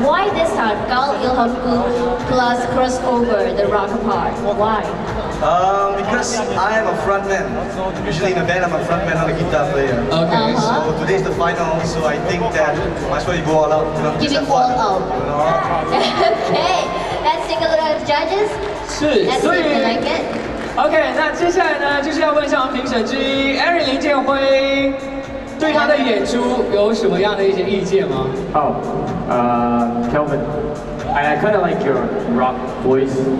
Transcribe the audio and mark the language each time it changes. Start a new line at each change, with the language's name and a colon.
English: Why this time, Gal Ilhamku plus crossover the rock part? Why? Because I am a frontman. Usually in a band, I'm a frontman, not a guitar player. Okay. Uh-huh. So today's the final, so I think that might as well you go all out. You know, giving all out. You know? Okay, let's take a look at the judges.
Chinese: 是，所以，OK，那接下来呢，就是要问一下我们评审之一Aaron林建辉，对他的演出有什么样的一些意见吗？好，
English: Kelvin, I kind of like your rock voice.